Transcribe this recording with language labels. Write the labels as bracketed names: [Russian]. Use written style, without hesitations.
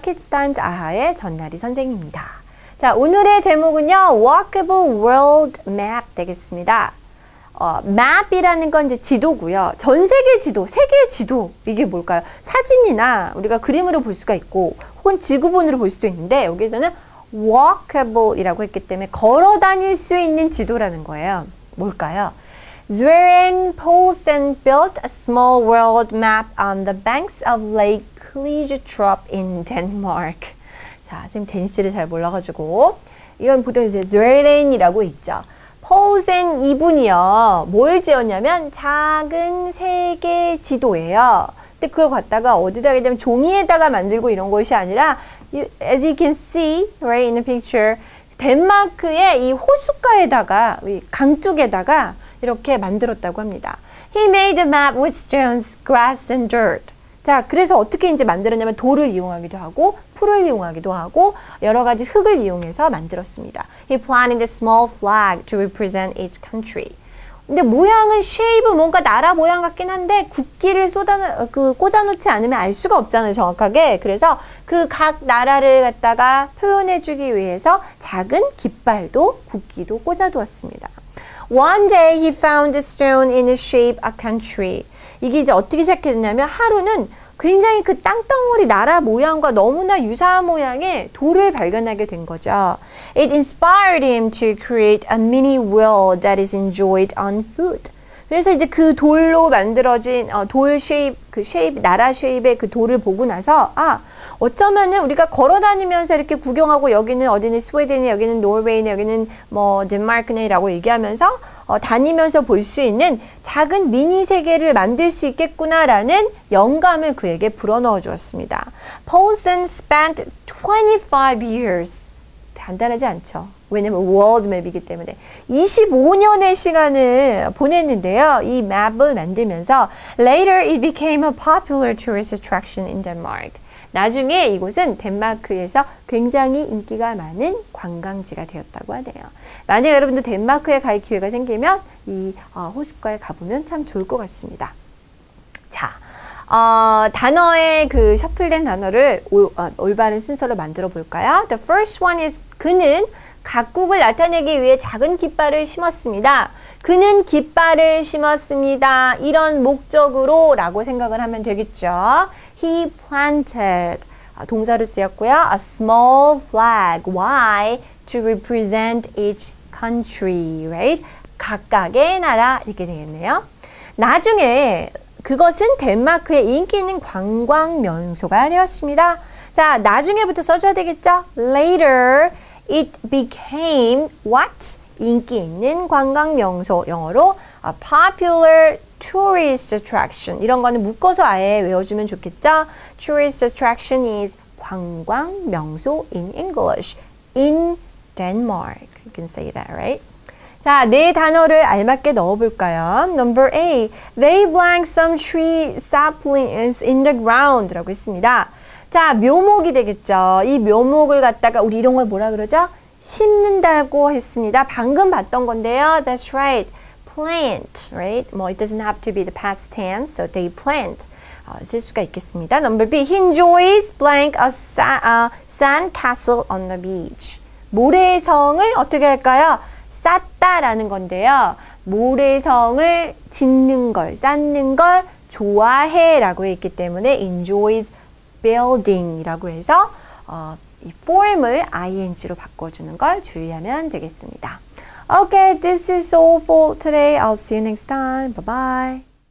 [Korean] Kids Times 아하의 전나리 선생입니다. 자, 오늘의 제목은요. Walkable World Map 되겠습니다. 맵이라는 건 이제 지도고요. 전 세계 지도, 세계 지도 이게 뭘까요? 사진이나 우리가 그림으로 볼 수가 있고 혹은 지구본으로 볼 수도 있는데 여기에서는 walkable이라고 했기 때문에 걸어 다닐 수 있는 지도라는 거예요. 뭘까요? [English] Zwerin Poulsen built a small world map on the banks of Lake Klijstrup in Denmark. [Korean] 자, 선생님 데니시를 잘 몰라가지고 이건 보통 이제 Zwerin이라고 있죠. Poulsen 이분이요. 뭘 지었냐면 작은 세계 지도예요. 근데 그걸 갖다가 어디다 하게 되면 종이에다가 만들고 이런 것이 아니라 [English] as you can see right in the picture [Korean] 덴마크의 이 호숫가에다가 이 강둑에다가 이렇게 만들었다고 합니다. [English] He made a map with stones, grass and dirt. [Korean] 자, 그래서 어떻게 이제 만들었냐면 돌을 이용하기도 하고 풀을 이용하기도 하고 여러 가지 흙을 이용해서 만들었습니다. [English] He planted a small flag to represent each country. [Korean] 근데 모양은 shape 뭔가 나라 모양 같긴 한데 국기를 꽂아 놓지 않으면 알 수가 없잖아요, 정확하게. 그래서 그 각 나라를 갖다가 표현해 주기 위해서 작은 깃발도 국기도 꽂아 두었습니다. [English] One day he found a stone in the shape of a country. [Korean] 이게 이제 어떻게 시작했냐면 하루는 굉장히 그 땅덩어리 나라 모양과 너무나 유사한 모양의 돌을 발견하게 된 거죠. [English] It inspired him to create a mini world that is enjoyed on foot. [Korean] 그래서 이제 그 돌로 만들어진 돌 shape, 그 shape, 나라 shape의 그 돌을 보고 나서 아, 어쩌면은 우리가 걸어다니면서 이렇게 구경하고 여기는 어디는 스웨덴이, 여기는 노르웨이네, 여기는 뭐 덴마크네라고 얘기하면서 다니면서 볼 수 있는 작은 미니 세계를 만들 수 있겠구나라는 영감을 그에게 불어넣어 주었습니다. [English] Poulsen spent 25 years. [Korean] 간단하지 않죠. 왜냐면 world map이기 때문에 25년의 시간을 보냈는데요. 이 map을 만들면서 [English] later it became a popular tourist attraction in Denmark. [Korean] 나중에 이곳은 덴마크에서 굉장히 인기가 많은 관광지가 되었다고 하네요. 만약 여러분도 덴마크에 갈 기회가 생기면 이 호숫가에 가보면 참 좋을 것 같습니다. 자, 단어의 그 셔플된 단어를 올바른 순서로 만들어 볼까요? [English] The first one is [Korean] 그는 각국을 나타내기 위해 작은 깃발을 심었습니다. 그는 깃발을 심었습니다. 이런 목적으로 라고 생각을 하면 되겠죠. [English] He planted, [Korean] 동사로 쓰였고요. [English] A small flag. Why? To represent each country, right? [Korean] 각각의 나라 이렇게 되겠네요. 나중에 그것은 덴마크의 인기 있는 관광 명소가 되었습니다. 자, 나중에부터 써줘야 되겠죠. [English] Later, it became what? [Korean] 인기 있는 관광 명소, 영어로 [English] a popular tourist attraction. [Korean] 이런 거는 묶어서 아예 외워주면 좋겠죠. [English] Tourist attraction is 관광 명소 in English. In Denmark. You can say that, right? [Korean] 자, 네 단어를 알맞게 넣어볼까요? [English] Number A, they blank some tree saplings in the ground [Korean] 라고 했습니다. 자, 묘목이 되겠죠. 이 묘목을 갖다가 우리 이런 걸 뭐라 그러죠? 심는다고 했습니다. 방금 봤던 건데요. [English] That's right. Plant, right? Well, it doesn't have to be the past tense, so they plant. [Korean] 쓸 수가 있겠습니다. [English] Number B, he enjoys blank a sand castle on the beach. [Korean] 모래성을 어떻게 할까요? 쌓다라는 건데요. 모래성을 짓는 걸, 쌓는 걸 좋아해 라고 했기 때문에 enjoys building이라고 해서 이 form을 ing로 바꿔주는 걸 주의하면 되겠습니다. [English] Okay, this is all for today. I'll see you next time. Bye-bye.